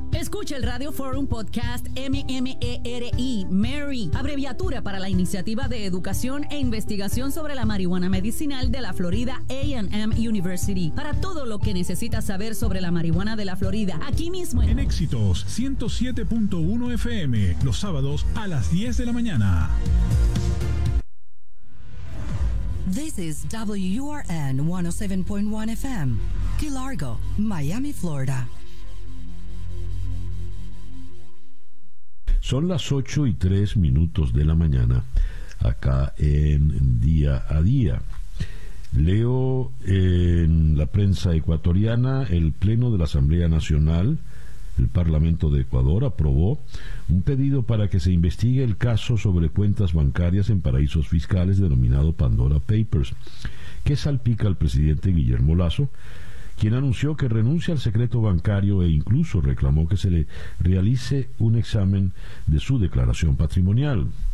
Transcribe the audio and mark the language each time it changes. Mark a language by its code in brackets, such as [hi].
[es] Escucha el Radio Forum Podcast MMERI, MERI, abreviatura para la Iniciativa de Educación e Investigación sobre la Marihuana Medicinal de la Florida A&M University. Para todo lo que necesitas saber sobre la marihuana de la Florida, aquí mismo en Éxitos 107.1 FM, los sábados a las 10 de la mañana. [en] This is WURN 107.1 FM, Key Largo, Miami, Florida. [es] Son las 8 y 3 minutos de la mañana acá en Día a Día. Leo en la prensa ecuatoriana: el Pleno de la Asamblea Nacional, el Parlamento de Ecuador, aprobó un pedido para que se investigue el caso sobre cuentas bancarias en paraísos fiscales denominado Pandora Papers, que salpica al presidente Guillermo Lasso, quien anunció que renuncia al secreto bancario e incluso reclamó que se le realice un examen de su declaración patrimonial.